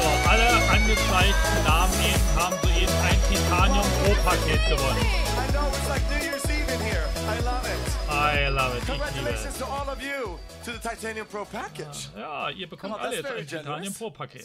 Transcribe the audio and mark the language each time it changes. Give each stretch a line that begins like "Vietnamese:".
German: So, alle angezeigten Namen hier haben soeben ein Titanium Pro Paket gewonnen.
English: I love it. Congratulations to all of you to the Titanium Pro package.
German: Ja, ihr bekommt alle jetzt ein Titanium Pro Paket.